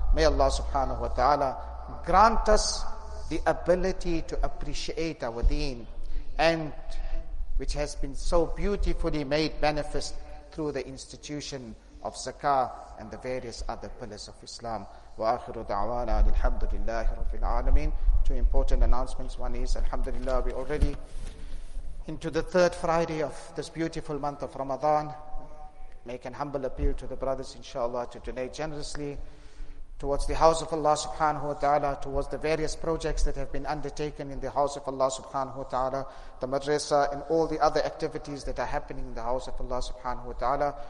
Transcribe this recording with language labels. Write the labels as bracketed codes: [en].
[en] May Allah subhanahu wa ta'ala grant us the ability to appreciate our deen, and which has been so beautifully made manifest through the institution of zakah and the various other pillars of Islam. [ar] وآخر دعوانا أن الحمد لله رب العالمين. [en] Two important announcements. One is, alhamdulillah, we already into the third Friday of this beautiful month of Ramadan. Make an humble appeal to the brothers, inshallah, to donate generously. towards the house of Allah subhanahu wa ta'ala, towards the various projects that have been undertaken in the house of Allah subhanahu wa ta'ala, the madrasa and all the other activities that are happening in the house of Allah subhanahu wa ta'ala.